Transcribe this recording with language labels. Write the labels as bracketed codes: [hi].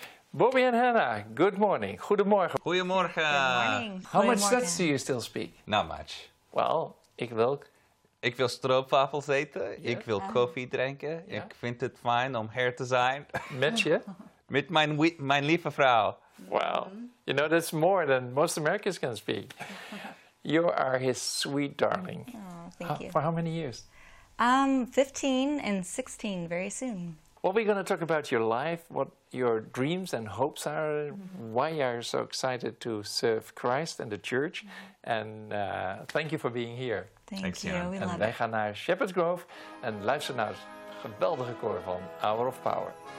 [nl] Bobby en Hannah, [en] good morning. [nl] Goedemorgen. Goedemorgen. [en] Good morning. How much Dutch do you still speak? Not much. [nl] Well, ik wil... Ik wil stroopwafels eten, yeah. Ik wil koffie drinken. Yeah. Ik vind het fijn om hier te zijn. Met je? Met mijn lieve vrouw. [en] Wow. You know, that's more than most Americans can speak. You are his sweet darling. Oh, thank you. For how many years? 15 and 16, very soon. What are we going to talk about your life, what your dreams and hopes are, why you are so excited to serve Christ and the church, and thank you for being here. Thank you. We [nl] en [en] love [nl] wij [en] it. [nl] Gaan naar Shepherd's Grove en luister naar het geweldige koor van Hour of Power.